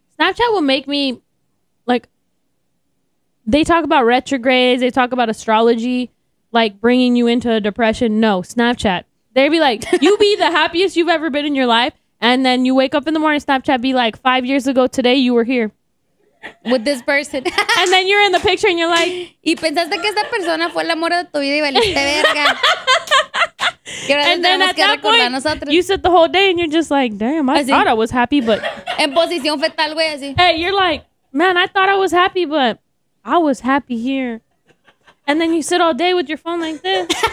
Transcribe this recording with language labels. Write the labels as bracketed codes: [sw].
[en] Snapchat will make me, like, they talk about retrogrades. They talk about astrology, like bringing you into a depression. No, Snapchat. They'd be like, you be the happiest you've ever been in your life. And then you wake up in the morning, Snapchat be like, 5 years ago today, you were here. With this person. And then you're in the picture and you're like. [es] Y pensaste que esta persona fue el amor de tu vida y valiste verga. [en] And then at that point, you sit the whole day and you're just like, damn, I thought I was happy, but. [es] En posición fetal, güey, así. [en] Hey, you're like, man, I thought I was happy, but I was happy here. And then you sit all day with your phone like this.